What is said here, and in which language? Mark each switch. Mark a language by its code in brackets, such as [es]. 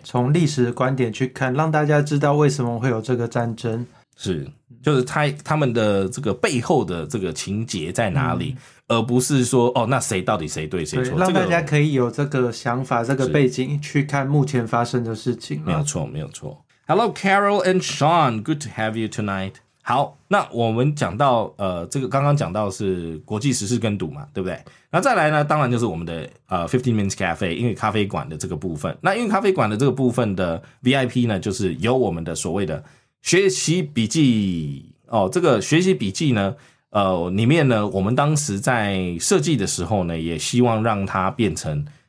[zh] 从历史的观点去看，让大家知道为什么会有这个战争，是，就是他们的这个背后的这个情节在哪里，而不是说哦，那谁到底谁对谁错，让大家可以有这个想法，这个背景去看目前发生的事情，没有错，没有错。 [en] Hello, Carol and Sean, good to have you tonight. [zh] 好，那我们讲到这个刚刚讲到是国际时事跟读嘛，对不对？那再来呢当然就是我们的15 Minutes Cafe， 因为咖啡馆的这个部分，那因为咖啡馆的这个部分的 VIP 呢就是有我们的所谓的学习笔记哦，这个学习笔记呢里面呢我们当时在设计的时候呢也希望让它变成